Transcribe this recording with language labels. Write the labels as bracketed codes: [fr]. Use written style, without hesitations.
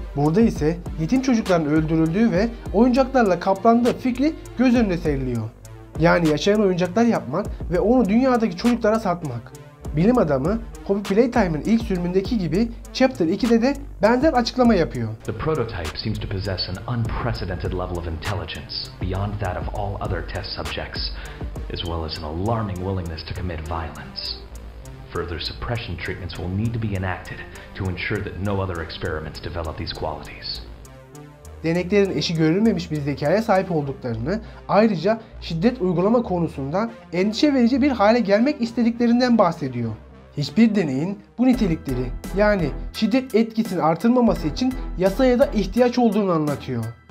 [tr] Burada ise yetim çocukların öldürüldüğü ve oyuncaklarla kaplandığı fikri göz önüne seriliyor. Yani yaşayan oyuncaklar yapmak ve onu dünyadaki çocuklara satmak. Bilim adamı Hobby Playtime'ın ilk sürümündeki gibi Chapter 2'de de benzer açıklama yapıyor. [en] The prototype seems to possess an unprecedented level of intelligence beyond that of all other test subjects, as well as an alarming willingness to commit violence. Further suppression treatments will need to be enacted to ensure that no other experiments develop these qualities. [tr] Deneklerin eşi görülmemiş bir zekaya sahip olduklarını, ayrıca şiddet uygulama konusunda endişe verici bir hale gelmek istediklerinden bahsediyor. Hiçbir deneyin bu nitelikleri, yani şiddet etkisini artırmaması için yasaya da ihtiyaç olduğunu anlatıyor.